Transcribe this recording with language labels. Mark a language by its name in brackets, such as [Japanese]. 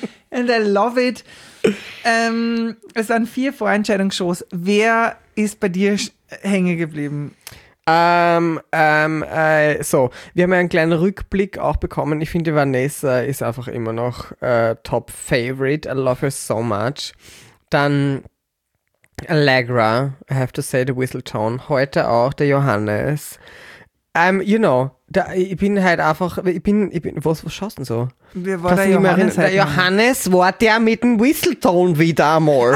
[English] And I love it. [German] Es waren 4 Vorentscheidungsshows. Wer ist bei dir hängen geblieben? Wir haben ja einen kleinen Rückblick auch bekommen. Ich finde, Vanessa ist einfach immer noch top favorite. [English] I love her so much. [German] Dann [English] Allegra, I have to say the whistle tone. [German] Heute auch der Johannes. Was schaust du denn so? Wer war der Johannes? Der Johannes war der mit dem Whistletone wieder einmal.